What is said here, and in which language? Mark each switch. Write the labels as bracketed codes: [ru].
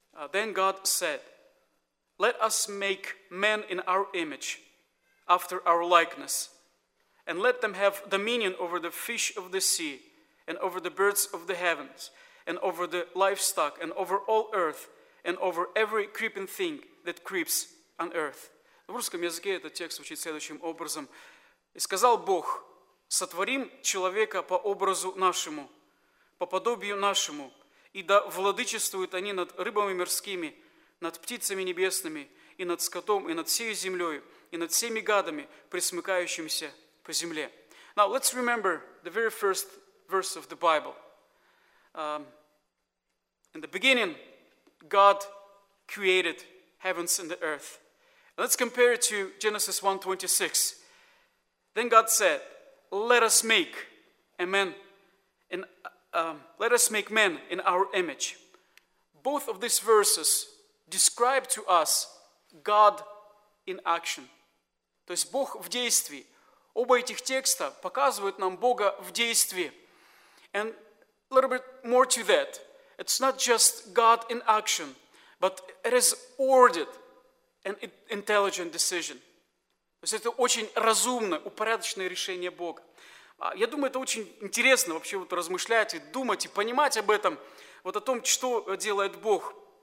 [en] Then God said, let us make man in our image, after our likeness, and let them have dominion over the fish of the sea, and over the birds of the heavens, and over the livestock, and over all earth, and over every creeping thing that creeps on earth. [ru] В русском языке этот текст звучит следующим образом. И сказал Бог, сотворим человека по образу нашему, по подобию нашему, и да владычествуют они над рыбами морскими, над птицами небесными, и над скотом, и над всей землей, и над всеми гадами, пресмыкающимися по земле. [en] Now, let's remember the very first verse of the Bible. In the beginning, God created heavens and the earth. Let's compare it to Genesis 1:26. Then God said, let us make man in our image. Both of these verses describe to us God in action. [ru] То есть Бог в действии. Оба этих текста показывают нам Бога в действии. [en] And a little bit more to that. It's not just God in action, but it is ordered and intelligent decision. [ru] То есть это очень разумное, упорядоченное решение Бога. Я думаю, это очень интересно вообще вот размышлять и думать, и понимать об этом, вот о том, что делает Бог.